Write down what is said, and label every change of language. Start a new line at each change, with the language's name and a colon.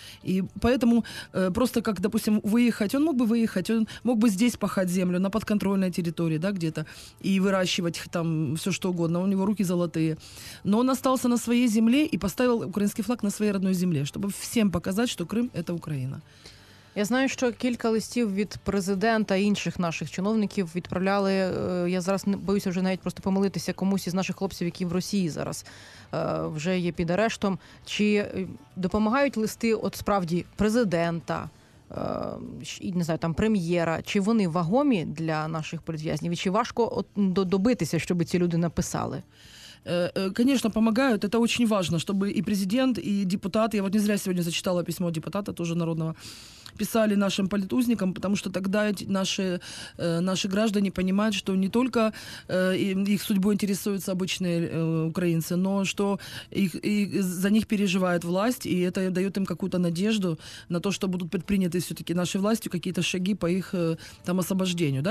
Russian: И поэтому просто как, допустим, выехать, он мог бы здесь пахать землю, на подконтрольной территории, да, где-то, и выращивать там все что угодно, у него руки золотые. Но он остался на своей земле и поставил украинский флаг на своей родной земле, чтобы всем показать, что Крым – это Украина.
Ukrainian: Я знаю, що кілька листів від президента і інших наших чиновників відправляли, я зараз боюся вже навіть просто помилитися, комусь із наших хлопців, які в Росії зараз вже є під арештом. Чи допомагають листи от справді президента, не знаю, там прем'єра, чи вони вагомі для наших політв'язнів, чи важко добитися, щоб ці люди написали?
Russian: Конечно, помогают. Это очень важно, чтобы и президент, и депутат, я вот не зря сегодня зачитала письмо депутата, тоже народного, писали нашим политузникам, потому что тогда наши граждане понимают, что не только их судьбой интересуются обычные украинцы, но что их за них переживает власть, и это дает им какую-то надежду на то, что будут предприняты все-таки нашей властью какие-то шаги по их там освобождению.